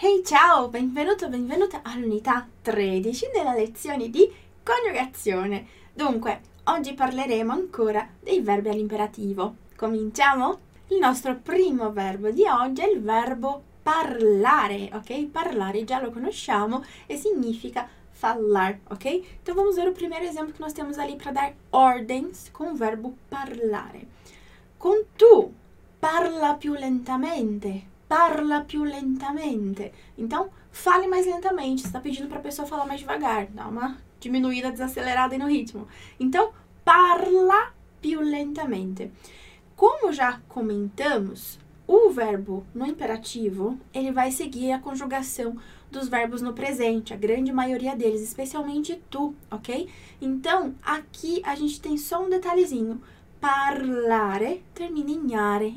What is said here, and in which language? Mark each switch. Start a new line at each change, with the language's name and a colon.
Italian: Ciao, benvenuto, benvenuta all'unità 13 della lezione di coniugazione. Dunque, oggi parleremo ancora dei verbi all'imperativo. Cominciamo? Il nostro primo verbo di oggi è il verbo parlare, ok? Parlare già lo conosciamo e significa falar, ok?
Portuguese: Então vamos ver o primeiro exemplo que nós temos ali para dar ordens com o verbo parlare.
Italian: Con tu, parla più lentamente. Parla più lentamente.
Portuguese: Então, fale mais lentamente. Você está pedindo para a pessoa falar mais devagar. Dá uma diminuída, desacelerada aí no ritmo.
Italian: Então, parla più lentamente.
Portuguese: Como já comentamos, o verbo no imperativo, ele vai seguir a conjugação dos verbos no presente. A grande maioria deles, especialmente tu, ok? Então, aqui a gente tem só um detalhezinho. Parlare termina em are.